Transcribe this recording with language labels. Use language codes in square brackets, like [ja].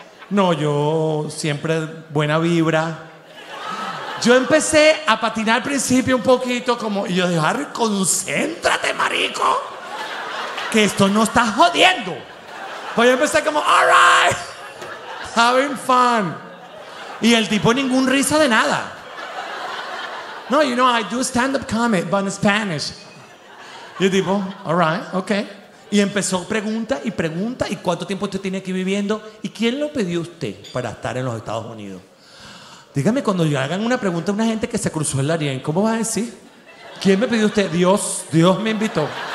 [es] No, yo siempre buena vibra. Yo empecé a patinar al principio un poquito como... Y yo dije, Harry, concéntrate, marico, que esto no está jodiendo. Pues yo empecé como, [en] all right, having fun. [es] Y el tipo ningún risa de nada. [en] No, you know, I do stand-up comedy, but in Spanish. [es] Y el tipo, [en] all right, okay. [es] Y empezó pregunta, ¿y cuánto tiempo usted tiene aquí viviendo? ¿Y quién lo pidió usted para estar en los Estados Unidos? Dígame, cuando yo hagan una pregunta a una gente que se cruzó el Darién, ¿cómo va a decir? ¿Quién me pidió usted? Dios me invitó.